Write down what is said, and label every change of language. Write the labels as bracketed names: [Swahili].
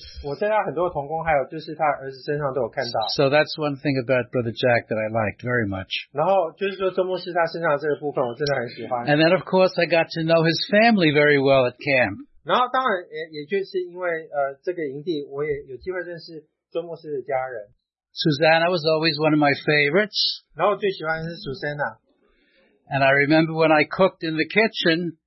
[Chinese] 然后他那样的特质跟特性，我在他很多同工还有就是他儿子身上都有看到。 [English] So that's one thing about Brother Jack that I liked very much. [Chinese] 然后就是说周牧师他身上这个部分，我真的很喜欢。 [English] And then of course I got to know his family very well at camp. [Chinese] 然后当然也就是因为这个营地，我也有机会认识周牧师的家人。Susanna [English] was always one of my favorites. [Chinese] 然后最喜欢的是Susanna。And [English] I remember when I cooked in the kitchen.